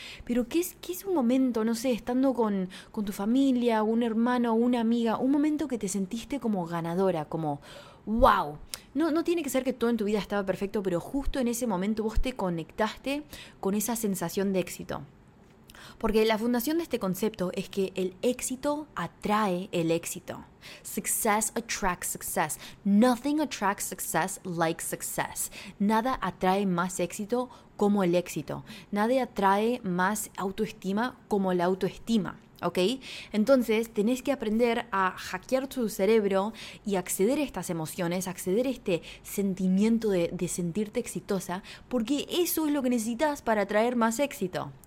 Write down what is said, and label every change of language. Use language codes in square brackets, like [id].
[es] Pero ¿qué es un momento, no sé, estando con tu familia, un hermano, una amiga, un momento que te sentiste como ganadora, como ¡wow! No tiene que ser que todo en tu vida estaba perfecto, pero justo en ese momento vos te conectaste con esa sensación de éxito. Porque la fundación de este concepto es que el éxito atrae el éxito. [en] Success attracts success. Nothing attracts success like success. [es] Nada atrae más éxito como el éxito. Nada atrae más autoestima como la autoestima. ¿Ok? Entonces, tenés que aprender a hackear tu cerebro y acceder a estas emociones, acceder a este sentimiento de sentirte exitosa, porque eso es lo que necesitas para atraer más éxito.